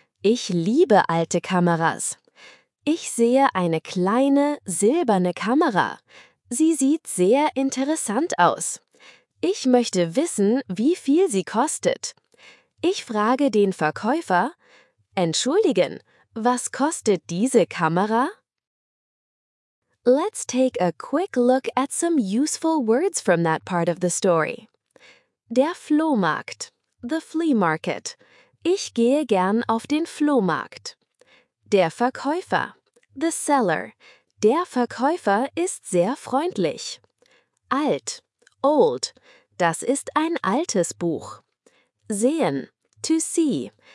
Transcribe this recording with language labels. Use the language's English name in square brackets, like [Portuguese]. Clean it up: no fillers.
[German] Ich liebe alte Kameras. Ich sehe eine kleine, silberne Kamera. Sie sieht sehr interessant aus. Ich möchte wissen, wie viel sie kostet. Ich frage den Verkäufer: Entschuldigen, was kostet diese Kamera? [English] Let's take a quick look at some useful words from that part of the story. [German] Der Flohmarkt, [English] the flea market. [German] Ich gehe gern auf den Flohmarkt. Der Verkäufer, [English] the seller. [German] Der Verkäufer ist sehr freundlich. Alt, old. Das ist ein altes Buch. Sehen, [English] to see.